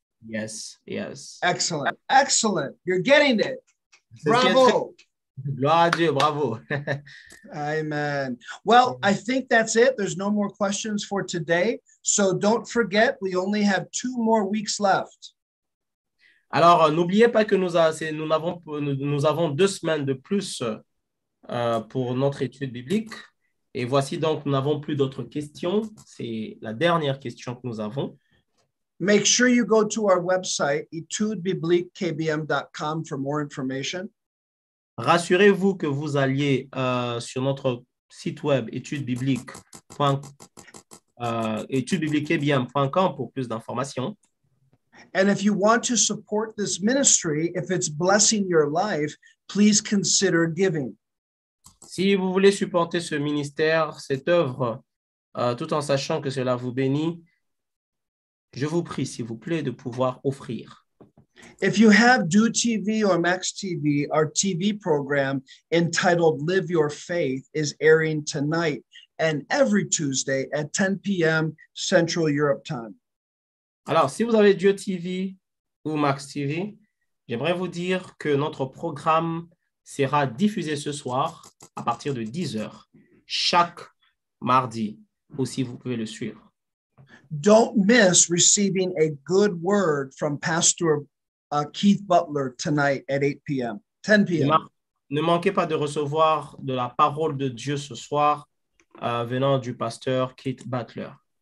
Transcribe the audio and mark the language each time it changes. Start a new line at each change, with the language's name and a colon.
English: yes. Excellent. Excellent. You're getting it.
French: C'est ce qui est très Bravo. gloire à Dieu, bravo.
English: Amen. Well, I think that's it. There's no more questions for today. So don't forget, we only have 2 more weeks left.
French: Alors, n'oubliez pas que nous avons 2 semaines de plus pour notre étude biblique. Et voici donc, nous n'avons plus d'autres questions. C'est la dernière question que nous avons.
English: Make sure you go to our website, etudebibliquekbm.com, for more information.
French: Rassurez-vous que vous alliez sur notre site web etudebiblique.com pour plus d'informations.
English: And if you want to support this ministry, if it's blessing your life, please consider giving.
French: Si vous voulez supporter ce ministère, cette œuvre, tout en sachant que cela vous bénit, je vous prie, s'il vous plaît, de pouvoir offrir.
English: If you have Do TV or Max TV, our TV program entitled Live Your Faith is airing tonight and every Tuesday at 10 p.m. Central Europe time.
French: Alors, si vous avez Dieu TV ou Max TV, j'aimerais vous dire que notre programme sera diffusée ce soir à partir de 10h, chaque mardi, ou si vous pouvez le suivre.
English: Don't miss receiving a good word from Pastor Keith Butler tonight at 8 p.m., 10 p.m.
French: Ne manquez pas de recevoir de la parole de Dieu ce soir, venant du pasteur Keith Butler.